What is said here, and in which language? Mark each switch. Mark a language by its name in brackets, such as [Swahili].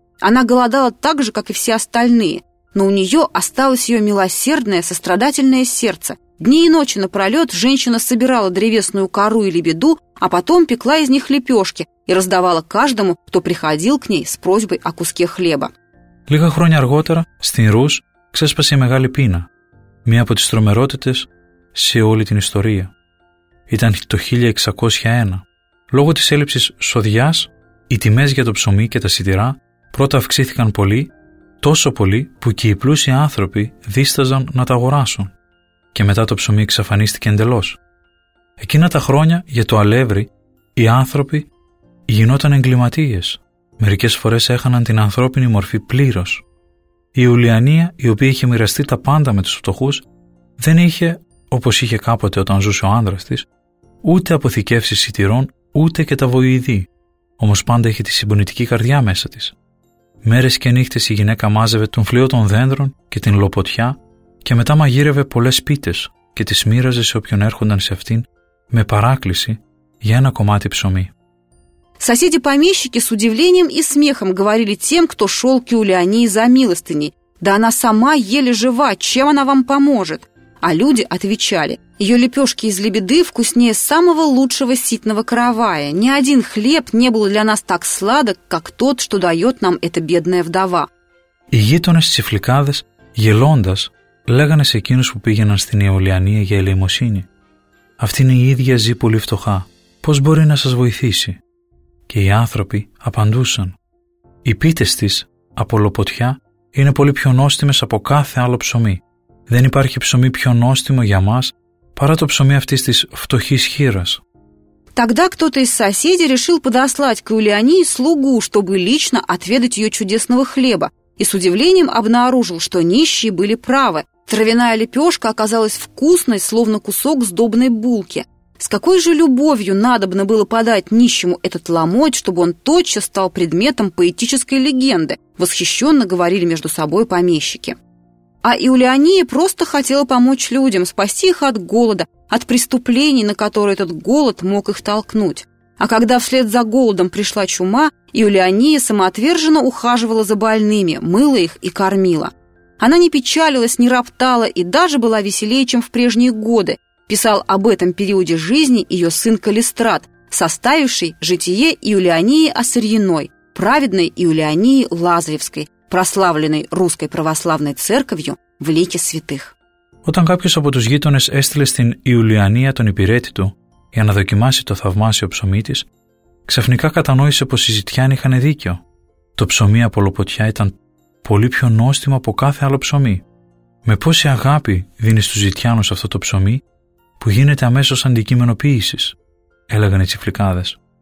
[Russian] Она голодала так же, как и все остальные. Но у нее осталось ее милосердное, сострадательное сердце. Дни и ночи напролет женщина собирала древесную кору или беду, а потом пекла из них лепешки и раздавала каждому, кто приходил к ней с просьбой о куске хлеба. [Greek] Лига хроня арготера, стен Рус, ксеспаси мегали пина. Мия από τις τρομερότητες σε όλη την ιστορία. Ήταν το 1601. Λόγω της έλλειψης σοδειάς, οι τιμές για το ψωμί και τα σιτηρά πρώτα αυξήθηκαν πολύ, τόσο πολύ που και οι πλούσιοι άνθρωποι δίσταζαν να τα αγοράσουν. Και μετά το ψωμί εξαφανίστηκε εντελώς. Εκείνα τα χρόνια για το αλεύρι, οι άνθρωποι γινόταν εγκληματίες. Μερικές φορές έχαναν την ανθρώπινη μορφή πλήρως. Η Ιουλιανία, η οποία είχε μοιραστεί τα πάντα με τους φτωχούς, δεν είχε, όπως είχε κάποτε όταν ζούσε ο άντρας της, ούτε αποθηκεύσεις σιτηρών, ούτε και τα βοηθή. Όμως πάντα είχε τη συμπονητική καρδιά μέσα της. Μέρες και νύχτες η γυναίκα μάζευε τον φλοιό των δέντρων και την λοποτιά και μετά μαγείρευε πολλές πίτες και τις μοίραζε σε όποιον έρχονταν σε αυτήν με παράκληση για ένα κομμάτι ψωμί. [Russian] Соседи-помещики с удивлением и смехом говорили тем, кто шел к Иулиании за милостыней. «Да она сама еле жива, чем она вам поможет?» А люди отвечали, ее лепешки из лебеды вкуснее самого лучшего ситного каравая. Ни один хлеб не был для нас так сладок, как тот, что дает нам эта бедная вдова. [Greek] Οι γείτονες τσιφλικάδες, γελώντας, λέγανε σε εκείνους που πήγαιναν στην Αιωλιανία για ελεημοσύνη: «Αυτήν η ίδια ζει πολύ φτωχά, πώς μπορεί να σας βοηθήσει?» Και οι άνθρωποι απαντούσαν: «Οι πίτες της από λοποτιά είναι πολύ πιο νόστιμες από κάθε άλλο ψωμί. Δεν υπάρχει ψωμί πιο νόστιμο για μας παρά το ψωμί αυτής της φτωχής χείρας». [Russian] Тогда кто-то из соседей решил подослать к Иулиании слугу, чтобы лично отведать ее чудесного хлеба, и с удивлением обнаружил, что нищие были правы. Травяная лепешка оказалась вкусной, словно кусок сдобной булки. С какой же любовью надобно было подать нищему этот ломоть, чтобы он тотчас стал предметом поэтической легенды, восхищенно говорили между собой помещики. А Иулиания просто хотела помочь людям, спасти их от голода, от преступлений, на которые этот голод мог их толкнуть. А когда вслед за голодом пришла чума, Иулиания самоотверженно ухаживала за больными, мыла их и кормила. Она не печалилась, не роптала и даже была веселее, чем в прежние годы, писал об этом периоде жизни ее сын Калистрат, составивший житие Иулиании Ассириной, праведной Иулиании Лазаревской, прославленной Русской Православной Церковью в лике святых. [Greek] Όταν κάποιος από τους γείτονες έστειλε στην Ιουλιανία τον υπηρέτη του για να δοκιμάσει το θαυμάσιο ψωμί της, ξαφνικά κατανόησε πως οι ζητιάνοι είχαν δίκιο. Το ψωμί από λοποτιά ήταν πολύ πιο νόστιμο από κάθε άλλο ψωμί. Με πόση αγάπη δίνει στους ζητιάνους αυτό το ψωμί που γίνεται αμέσως αντικείμενο ποίησης, έλεγαν οι τσιφλικάδες.